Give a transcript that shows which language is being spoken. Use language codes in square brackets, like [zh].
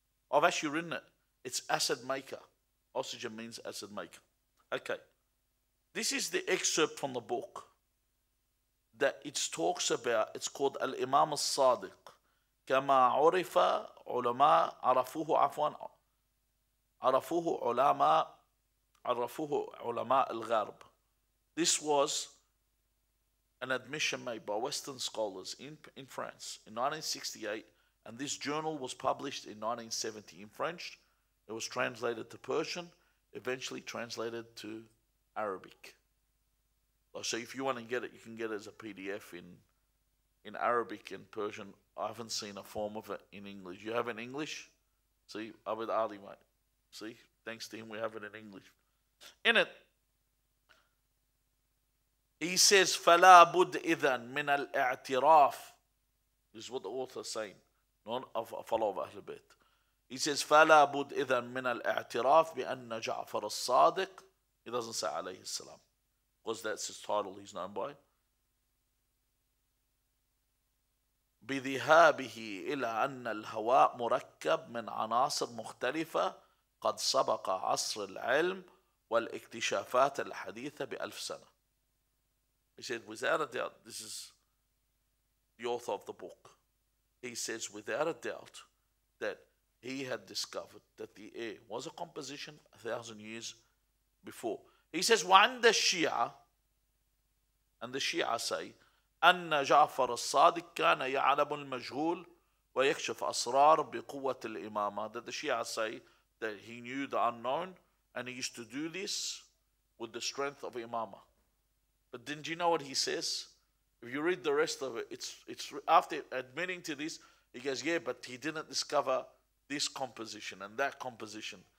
[en] I've actually written it. It's Acid Maker. Oxygen means acid maker. Okay. This is the excerpt from the book that it talks about. It's called Al-Imam al-Sadiq. [ar] كما عرف علماء عرفوه عفوا عرفوه علماء عرفوه علماء الغرب. [en] This was an admission made by Western scholars in France in 1968, and this journal was published in 1970 in French. It was translated to Persian, eventually translated to Arabic. So if you want to get it, you can get it as a PDF in Arabic and Persian. I haven't seen a form of it in English. You have it in English? See, Abid Ali, mate. See, thanks to him, we have it in English. In it, he says, [ar] فَلَا بُدْ إِذَن مِنَ الْإِعْتِرَافِ. [en] This is what the author is saying, not a follower of Ahlul Bayt. He says, [ar] فَلَا بُدْ إِذَن مِنَ الْإِعْتِرَافِ بِأَنَّ جَعْفَرَ الصَّادِقِ. [en] He doesn't say [ar] عليه السلام, [en] because that's his title he's known by. [ar] بذهابه إلى أن الهواء مركب من عناصر مختلفة قد سبق عصر العلم والاكتشافات الحديثة بألف سنة. [en] He said, without a doubt, this is the author of the book. He says, without a doubt, that he had discovered that the air was a composition 1,000 years before. He says, when the Shia, and the Shia say, [ar] أن جعفر الصادق كان يعلم المجهول ويكشف أسرار بقوة الإمامة. [en] That the Shia say that he knew the unknown and he used to do this with the strength of Imama. But didn't you know what he says? If you read the rest of it, it's after admitting to this, he goes, yeah, but he didn't discover this composition and that composition.